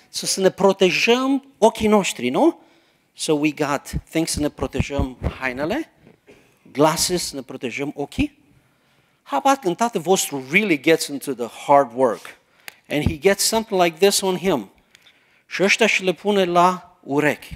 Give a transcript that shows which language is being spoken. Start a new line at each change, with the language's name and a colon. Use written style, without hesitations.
Romanian: So să ne protejăm ochii noștri, nu?
English: So we got things
Romanian: să ne protejăm hainele, glasses să ne protejăm ochii.
English: How about
Romanian: când tatăl vostru
English: really gets into the hard work and he gets something like this on him?
Romanian: Și ăștia și le pune la urechi.